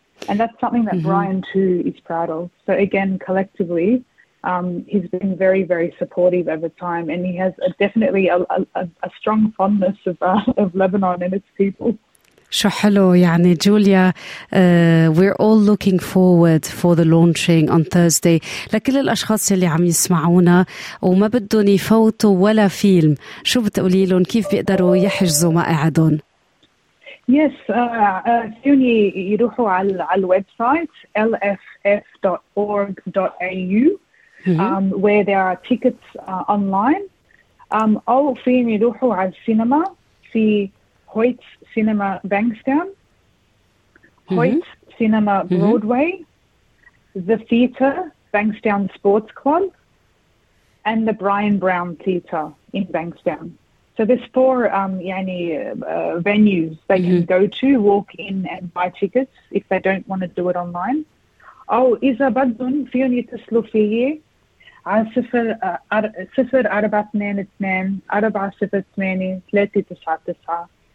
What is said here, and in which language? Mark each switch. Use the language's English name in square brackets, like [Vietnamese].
[English] And that's something that Brian too is proud of. So again, collectively, he's been very, very supportive over time, and he has definitely a strong fondness of Lebanon and its people. [Arabic] شو حلو يعني جوليا. [English] We're all looking forward for the launching on Thursday. [Arabic] لكل الأشخاص اللي عم يسمعونا وما بدهم يفوتوا ولا فيلم, شو بتقولي لهم كيف بيقدروا يحجزوا مقعدهم؟ [English] Yes, soon [Arabic] يروحوا على الويب سايت [English] lff.org.au where there are tickets online. [Arabic] أو فين يروحوا على السينما في Hoyts Cinema Bankstown, Hoyts Cinema Broadway, The Theatre, Bankstown Sports Club, and the Brian Brown Theatre in Bankstown. [English] So there's four venues they can go to, walk in and buy tickets if they don't want to do it online. [Arabic] Oh, إذا بدون فيوني تسلو فيه على صفر أربعة اثنين اثنين أربعة صفر ثمانية ثلاثة تسعة تسعة.